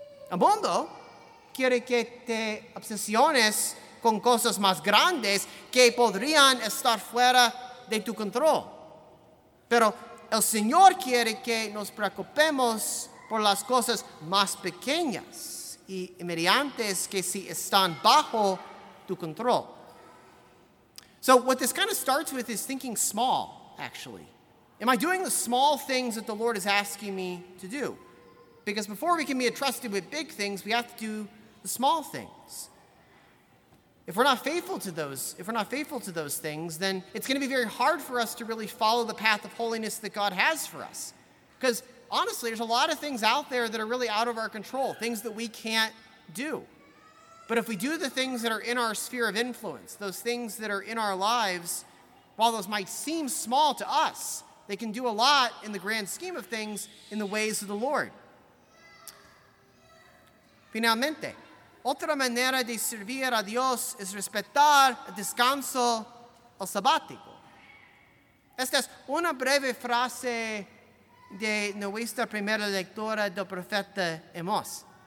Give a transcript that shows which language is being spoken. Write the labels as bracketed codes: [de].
[es] El mundo quiere que te obsesiones con cosas más grandes que podrían estar fuera de tu control. Pero el Señor quiere que nos preocupemos por las cosas más pequeñas y inmediatas que sí están bajo tu control. [en] So what this kind of starts with is thinking small, actually. Am I doing the small things that the Lord is asking me to do? Because before we can be entrusted with big things, we have to do the small things. If we're not faithful to those things, then it's going to be very hard for us to really follow the path of holiness that God has for us. Because honestly, there's a lot of things out there that are really out of our control, things that we can't do. But if we do the things that are in our sphere of influence, those things that are in our lives, while those might seem small to us, they can do a lot in the grand scheme of things in the ways of the Lord. [es] Finalmente, otra manera de servir a Dios es respetar el descanso o sabático. Esta es una breve frase de nuestra primera lectura del profeta Amós.